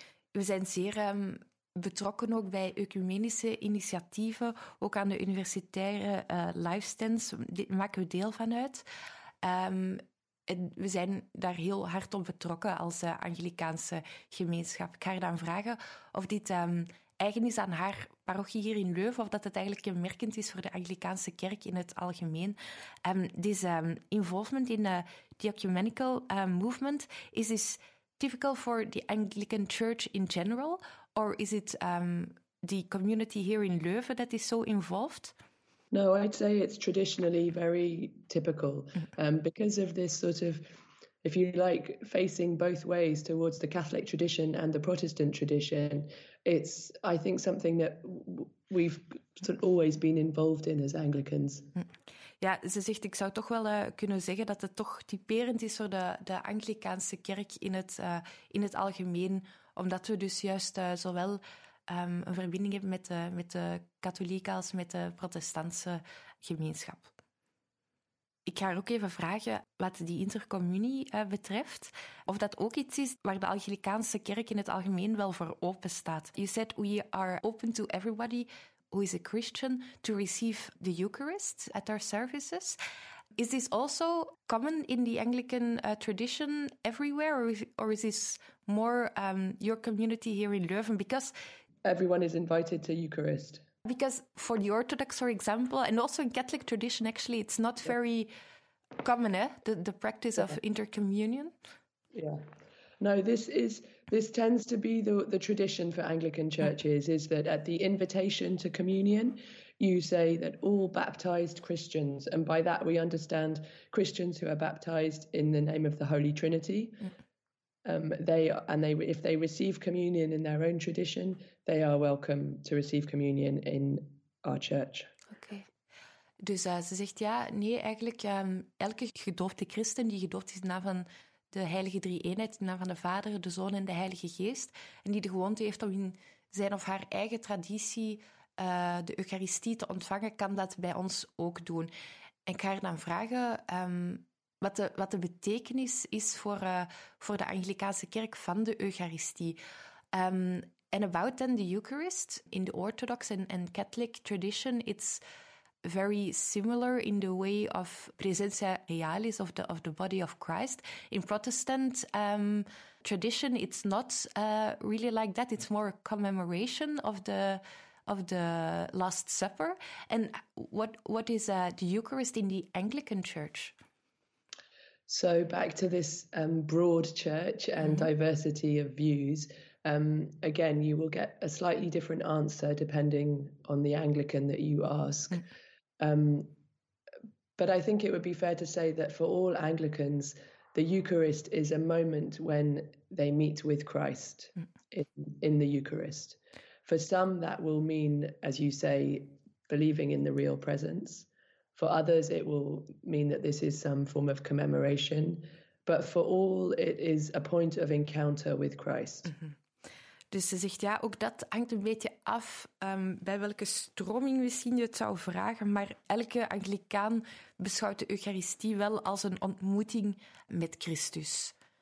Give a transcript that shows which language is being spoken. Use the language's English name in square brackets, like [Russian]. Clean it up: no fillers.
[Dutch] We zijn zeer betrokken ook bij ecumenische initiatieven, ook aan de universitaire Lifestance. Dit maken we deel van uit. En we zijn daar heel hard op betrokken als Anglicaanse gemeenschap. Ik ga haar dan vragen of dit eigen is aan haar parochie hier in Leuven, of dat het eigenlijk kenmerkend is voor de Anglicaanse kerk in het algemeen. Deze [English] involvement in the ecumenical movement, is this typical for the Anglican church in general? Or is it the community here in Leuven that is so involved? No, I'd say it's traditionally very typical. Because of this sort of, if you like, facing both ways towards the Catholic tradition and the Protestant tradition, it's, I think, something that we've sort of always been involved in as Anglicans. [Dutch] Ja, ze zegt, ik zou toch wel kunnen zeggen dat het toch typerend is voor de Anglicaanse kerk in het algemeen, omdat we dus juist zowel een verbinding hebben met de katholieke als met de protestantse gemeenschap. Ik ga haar ook even vragen wat die intercommunie betreft, of dat ook iets is waar de Anglicaanse kerk in het algemeen wel voor open staat. [English] You said we are open to everybody who is a Christian to receive the Eucharist at our services. Is this also common in the Anglican tradition everywhere, or is this more your community here in Leuven? Because everyone is invited to Eucharist. Because for the Orthodox, for example, and also in Catholic tradition, actually, it's not very common, the practice of intercommunion. Yeah. No, this tends to be the tradition for Anglican churches, is that at the invitation to communion, you say that all baptized Christians, and by that we understand Christians who are baptized in the name of the Holy Trinity, if they receive communion in their own tradition, they are welcome to receive communion in our church. Okay. [Dutch] Dus ze zegt eigenlijk elke gedoopte christen die gedoopt is in naam van de Heilige Drie Eenheid, in naam van de Vader, de Zoon en de Heilige Geest, en die de gewoonte heeft om in zijn of haar eigen traditie de Eucharistie te ontvangen, kan dat bij ons ook doen. En ik ga haar dan vragen wat de betekenis is voor de Anglicaanse kerk van de Eucharistie. [English] And about then the Eucharist, in the Orthodox and Catholic tradition, it's very similar in the way of presentia realis, of the body of Christ. In Protestant tradition, it's not really like that. It's more a commemoration of the Last Supper. And what is the Eucharist in the Anglican Church? So back to this broad church and diversity of views, again, you will get a slightly different answer depending on the Anglican that you ask. But I think it would be fair to say that for all Anglicans, the Eucharist is a moment when they meet with Christ in the Eucharist. For some, that will mean, as you say, believing in the real presence. For others, it will mean that this is some form of commemoration. But for all, it is a point of encounter with Christ. Mm-hmm. [Dutch] Dus ze zegt, ook dat hangt een beetje af bij welke stroming misschien je het zou vragen. Maar elke Anglicaan beschouwt de Eucharistie wel als een ontmoeting met Christus.